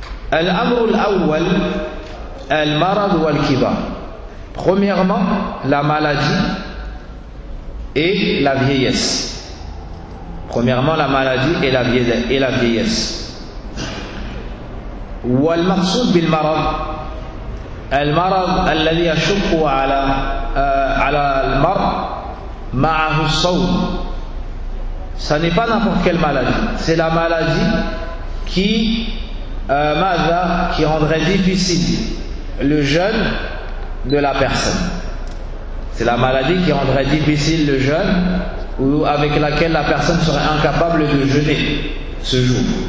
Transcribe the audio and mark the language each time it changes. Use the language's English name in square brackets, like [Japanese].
[Arabic] Al-amr al-awwal, al-marad wal-kibar. [French] Premièrement, la maladie et la vieillesse. Premièrement, la maladie et la vieillesse. [Arabic] والمقصود بالمرض المرض الذي يشق على المرء معه الصوم. [French] Ça n'est pas n'importe quelle maladie. C'est la maladie qui rendrait difficile le jeûne de la personne. C'est la maladie qui rendrait difficile le jeûne ou avec laquelle la personne serait incapable de jeûner ce jour.